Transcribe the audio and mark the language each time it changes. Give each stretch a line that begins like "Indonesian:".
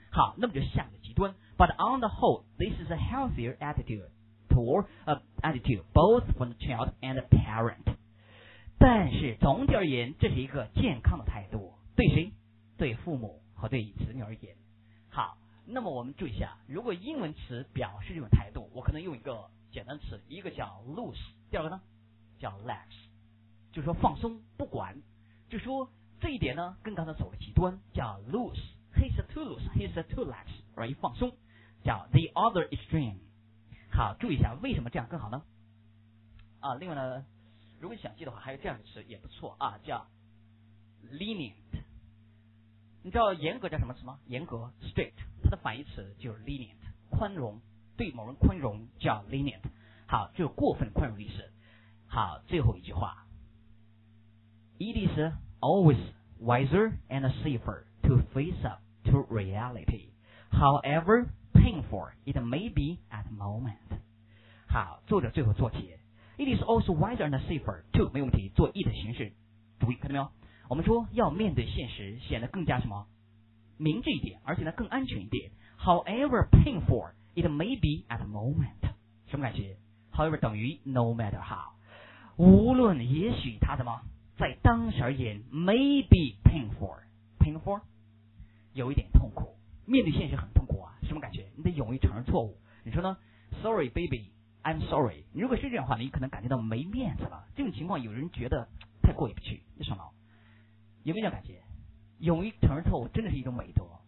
Chinese: 好，那么就下面的极端。
English: But on the whole， this is a healthier attitude toward attitude both from the child and the parent。
Chinese: 但是总体而言，这是一个健康的态度，对谁？对父母和对子女而言。好。那么我们注意一下，如果英文词表示这种态度，我可能用一个简单词，一个叫 loose， 第二个呢叫 lax， 就说放松不管，就说这一点呢跟刚才走了极端，叫 loose，
English: he's too loose， he's too lax， right？
Chinese: 放松叫 the other extreme。好，注意一下为什么这样更好呢啊，另外呢如果你想记的话还有这样的词也不错啊，叫 lenient。你知道严格叫什么词吗？严格 strict，它的反义词就是 lenient， 宽容，对某人宽容叫 lenient。好，就是过分宽容的意思。好，最后一句话，
English: It is always wiser and safer to face up to reality however painful it may be at the moment。
Chinese: 好，作者最后做题，
English: It is also wiser and safer to，
Chinese: 没问题，做 it 形式主义，看到没有，我们说要面对现实显得更加什么明智一点，而且呢更安全一点。
English: However painful it may be at the moment，
Chinese: 什么感觉 ？However 等于 no matter how， 无论也许它怎么在当时而言 ，
English: may be painful，
Chinese: 有一点痛苦，面对现实很痛苦啊，什么感觉？你得勇于承认错误。你说呢
English: ？Sorry baby， I'm sorry。
Chinese: 如果是这样的话，你可能感觉到没面子了。这种情况有人觉得太过意不去，为什么？有没有这样感觉？勇于承认错误真的是一种美德。